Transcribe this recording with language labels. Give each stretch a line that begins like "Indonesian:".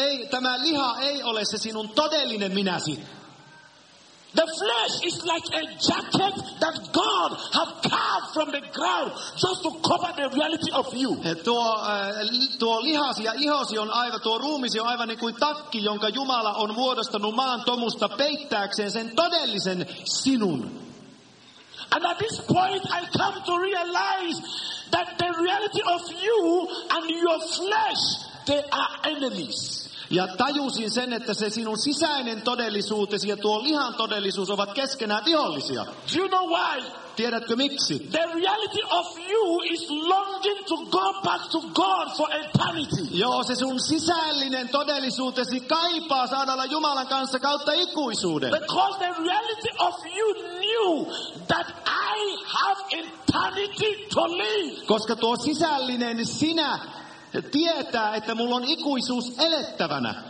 Finnish: Tämä liha ei ole se sinun todellinen minäsi.
English: The flesh is like a jacket that God has carved from the ground just to cover the reality of you.
Finnish: Tuo lihasi ja ihosi on aivan, tuo ruumisi on aivan niin kuin takki, jonka Jumala on muodostanut maan tomusta peittääkseen sen todellisen sinun.
English: And at this point I come to realize that the reality of you and your flesh, they are enemies.
Finnish: Ja tajusin sen, että se sinun sisäinen todellisuutesi ja tuo lihan todellisuus ovat keskenään vihollisia.
English: Do you know why?
Finnish: Tiedätkö miksi?
English: The reality of you is longing to go back to God for eternity.
Finnish: Joo, se sun sisällinen todellisuutesi kaipaa saada olla Jumalan kanssa kautta ikuisuuden.
English: Because the reality of you knew that I have eternity to live.
Finnish: Koska tuo sisällinen sinä tietää, että mulla on ikuisuus elettävänä.